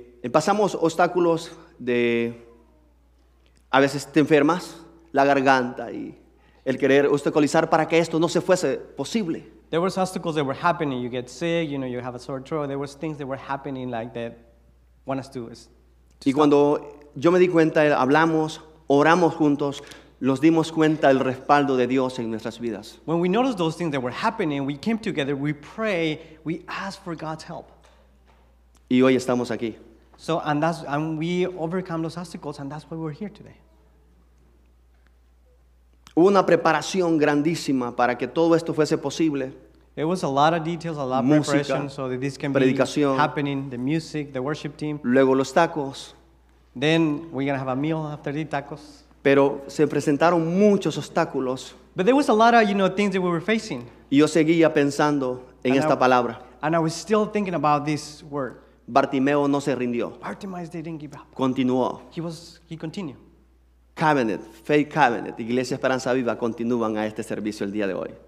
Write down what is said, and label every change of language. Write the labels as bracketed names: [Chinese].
[Spanish] Pasamos obstáculos de, a veces te enfermas, la garganta y el querer obstaculizar para que esto no se fuese posible. [English] There was obstacles that were happening. You get sick, you know, you have a sore throat. There was things that were happening like that want us to stop. [Spanish] Y cuando yo me di cuenta, hablamos, oramos juntos, nos dimos cuenta del respaldo de Dios en nuestras vidas. [English] When we noticed those things that were happening, we came together, we pray, we asked for God's help. [Spanish] Y hoy estamos aquí. [English] So, and we overcome those obstacles, and that's why we're here today. [Spanish] Hubo una preparación grandísima para que todo esto fuese posible. [English] It was a lot of details, a lot of preparation, so that this can be happening, the music, the worship team. [Spanish] Luego los tacos. [English] Then we're going to have a meal after the tacos. [Spanish] Pero se presentaron muchos obstáculos. [English] But there was a lot of, you know, things that we were facing. [Spanish] Y yo seguía pensando en esta palabra. [English] And I was still thinking about this word. [Spanish] Bartimeo no se rindió. [English] Bartimaeus didn't give up. [Spanish] Continuó. [English] He continued. [Spanish] Covenant, Faith Covenant, Iglesia Esperanza Viva continúan a este servicio el día de hoy.